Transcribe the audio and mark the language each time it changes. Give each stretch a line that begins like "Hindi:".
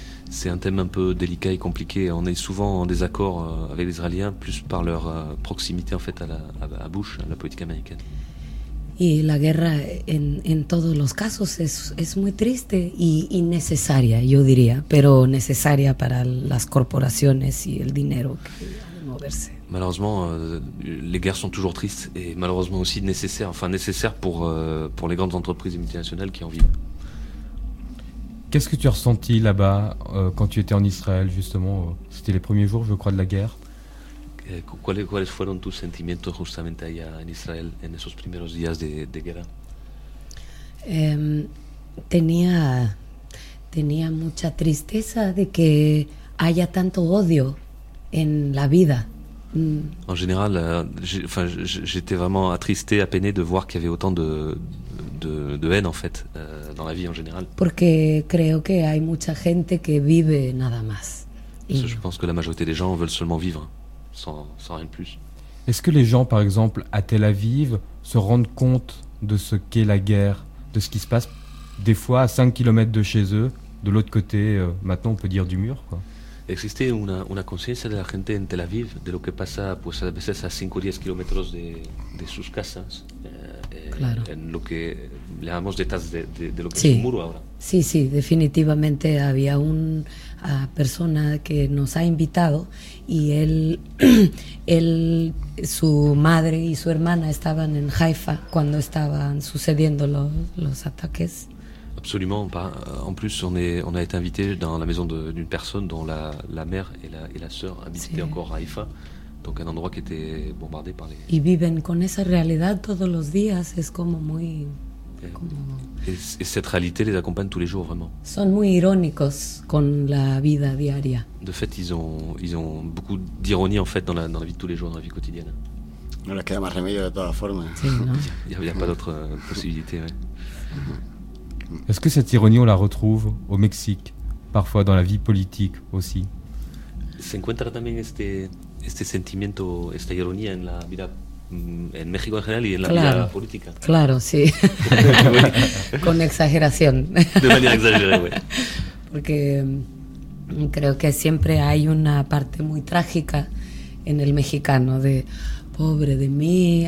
French: C'est un thème un peu délicat et compliqué. On est souvent en désaccord avec les Israéliens plus par leur proximité en fait à Bush, à la politique américaine.
Spanish: Y la guerra en todos los casos es muy triste y innecesaria, yo diría, pero necesaria para las corporaciones y el dinero que moverse.
French: Malheureusement, les guerres sont toujours tristes et malheureusement aussi nécessaires pour les grandes entreprises et multinationales qui en vivent. Qu'est-ce que tu as ressenti là-bas quand tu étais en Israël, justement? C'était les premiers jours, je crois, de la guerre.
Spanish: ¿Cuáles fueron tus sentimientos justamente allá en Israel en esos primeros días de guerra? Tenía mucha tristeza de que haya tanto odio. en la vida.
French: En général, j'étais vraiment attristé, peiné de voir qu'il y avait autant de haine en fait dans la vie en général.
Spanish: Porque creo que hay mucha gente que vive nada más.
French: Je pense que la majorité des gens veulent seulement vivre, sans rien de plus. Est-ce que les gens, par exemple, à Tel Aviv, se rendent compte de ce qu'est la guerre, de ce qui se passe, des fois à 5 km de chez eux, de l'autre côté, maintenant on peut dire du mur, quoi?
Spanish: Existe una conciencia de la gente en Tel Aviv de lo que pasa pues a veces a 5 o 10 kilómetros de sus casas, claro. En lo que le llamamos detrás de lo que sí. Es un muro ahora. Sí, sí, definitivamente había una persona que nos ha invitado y él, su madre y su hermana estaban en Haifa cuando estaban sucediendo los ataques.
French: Absolument pas. En plus, on a été invité dans la maison d'une personne dont la mère et la sœur habitaient
Spanish: sí.
French: Encore à Haifa, donc un endroit qui était bombardé par les. Ils vivent
Spanish: con esa realidad todos los días. Es como muy.
French: Et cette réalité les accompagne tous les jours vraiment.
Spanish: Son muy irónicos con la vida diaria.
French: De fait, ils ont beaucoup d'ironie en fait dans la vie de tous les jours, dans la vie quotidienne.
Spanish: No les queda más remedio de todas formas. Sí, ¿no?
French: Il n'y a pas d'autre possibilité. Ouais. Est-ce que cette ironie, on la retrouve au Mexique, parfois dans la vie politique aussi?
Spanish: Se encuentra también este sentimiento, esta ironía en la vida en México en general y en la claro, vida política. Claro, sí. Con exageración. De manera exagerada, güey. Porque creo que siempre hay una parte muy trágica en el mexicano de pobre de mí.